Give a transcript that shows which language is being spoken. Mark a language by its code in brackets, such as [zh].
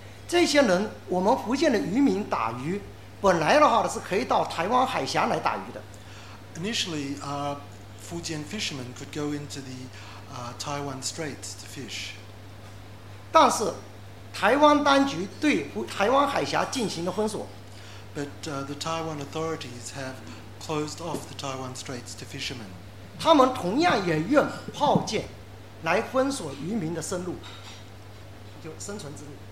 [zh] 这些人，我们福建的渔民打鱼，本来的话是可以到台湾海峡来打鱼的。 [en] Initially, Fujian fishermen could go into the Taiwan Straits to fish. [zh] 但是台湾当局对台湾海峡进行了封锁。 [en] But the Taiwan authorities have closed off the Taiwan Straits to fishermen. [zh] 他们同样也用炮舰来封锁渔民的生路，就生存之路。